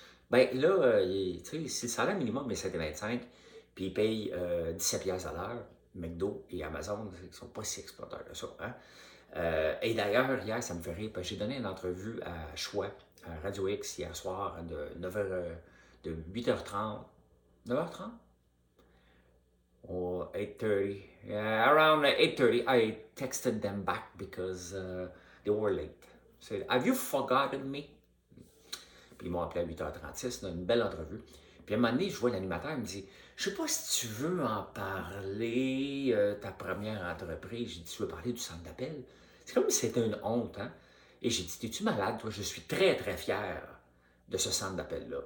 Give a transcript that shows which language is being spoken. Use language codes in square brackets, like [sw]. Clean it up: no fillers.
[fr] Bien, là, tu sais, si le salaire minimum est 7,25 puis ils payent 17 $ à l'heure, McDo et Amazon, ils ne sont pas si exploiteurs que ça, hein? Et d'ailleurs, hier, ça me fait rire, parce que j'ai donné une entrevue à Choix, à Radio X, hier soir, de 9h, de 8h30, 9h30? Ou 8h30, [en] yeah, around 8h30, I texted them back because they were late. Said, have you forgotten me? [fr] Puis ils m'ont appelé à 8h36, une belle entrevue. Puis à un moment donné, je vois l'animateur, il me dit, je sais pas si tu veux en parler, ta première entreprise. J'ai dit, tu veux parler du centre d'appel? C'est comme si c'était une honte, hein? Et j'ai dit, es-tu malade, toi? Je suis très, très fier de ce centre d'appel-là.